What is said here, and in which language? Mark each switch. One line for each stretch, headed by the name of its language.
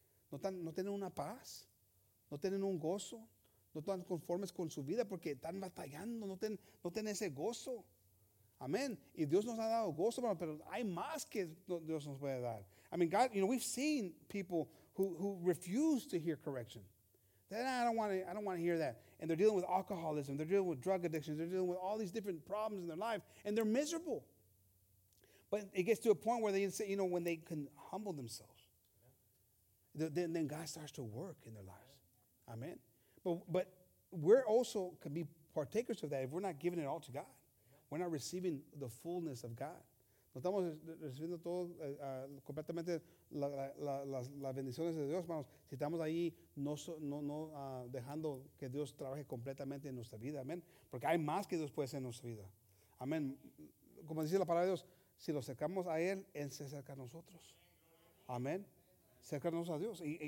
Spanish: No tienen una paz, no tienen un gozo, no están conformes con su vida porque están batallando, no tienen ese gozo. Amén. Y Dios nos ha dado gozo, pero hay más que Dios nos puede dar.
English: I mean, God, you know, we've seen people who refuse to hear correction. I don't want to hear that. And they're dealing with alcoholism, they're dealing with drug addictions, they're dealing with all these different problems in their life, and they're miserable. But it gets to a point where they say, you know, when they can humble themselves, then God starts to work in their lives. Amen. But we're also can be partakers of that if we're not giving it all to God. We're not receiving the fullness of God.
Spanish: No estamos recibiendo todo completamente las bendiciones de Dios, hermanos. Si estamos ahí no dejando que Dios trabaje completamente en nuestra vida. Amen. Porque hay más que Dios puede hacer en nuestra vida. Amen. Como dice la palabra de Dios, si lo acercamos a Él, Él se acerca a nosotros. Amen. Acercarnos a Dios.